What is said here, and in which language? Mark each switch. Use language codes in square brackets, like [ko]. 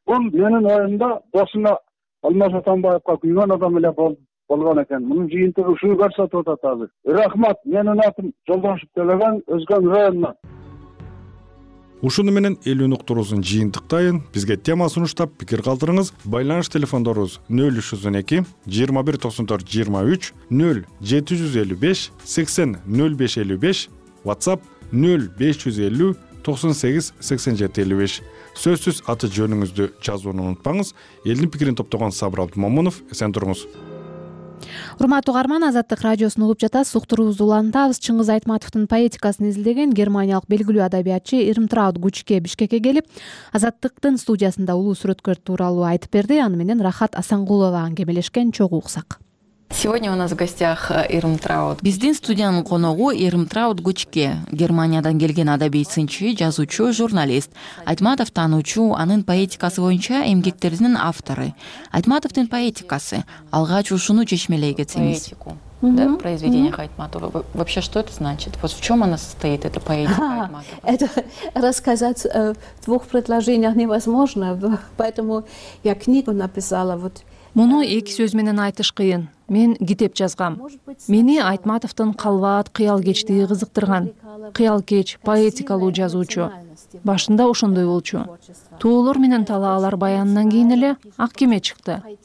[ky] Бул менин оюмда досуна Алмаз Атамбаевка күйгөн адам эле болгон экен. Мунун жыйынтыгы ушуну көрсөтүп атат азыр. Рахмат, менин атым Жолдошов Төлөгөн, Өзгөн районунан. Ушуну менен эл уктуруусун жыйынтыктайын. Бизге тема сунуштап пикир калтырыңыз. Байланыш телефондорубуз 0302-219423, 0755-800555, WhatsApp 0550-98-8755. Сөзсүз аты жөнүңүздү жазууну унутпаңыз. Элдин пикирин топтогон Сабыр Абдымомунов, эсен туруңуз. Урматтуу каарман, Азаттык радиосун угуп жатасыз. Уктуруубузду улантабыз. Чыңгыз Айтматовдун поэтикасын изилдеген германиялык белгилүү адабиятчы Ирмтрауд Гучке Бишкекке келип, Азаттыктын студиясында улуу сүрөткөр тууралуу айтып берди. Аны менен Рахат Асангулова аңгемелешкен, чогуу уксак. [ru] Сегодня у нас в гостях Ирмтрауд. [ky] Биздин студиянын коногу Ирмтрауд Гучке, Германиядан келген адабий сынчы, жазуучу, журналист. Айтматов таануучу, анын поэтикасы боюнча эмгектеринин автору. Айтматовдун поэтикасы алгач ушуну чечмелей кетсеңиз. [ru] Да, произведение Айтматова. Вообще, что это значит? Вот в чем она состоит, эта поэтика Айтматова? Это рассказать в двух предложениях невозможно, поэтому я книгу написала. Вот. [ky] Муну эки сөз менен айтыш кыйын. Мен китеп жазгам. Мени Айтматовдун калбаат кыял кечтиги кызыктырган. Кыял кеч, поэтикалуу жазуучу. Башында ошондой болчу. Туулор менен талаалар баянынан кийин эле ак кеме чыкты.